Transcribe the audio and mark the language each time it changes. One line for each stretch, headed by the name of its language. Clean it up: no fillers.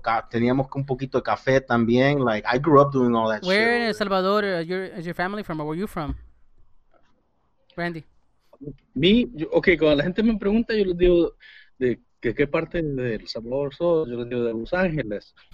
Spanish: Teníamos un poquito de café también.
English: Like, I grew up doing all that where shit. Where in El Salvador is your family from, or where are you from? Randy.
Spanish: Okay, cuando la gente me pregunta, yo les digo de que qué parte de El Salvador soy, yo les digo de Los Ángeles.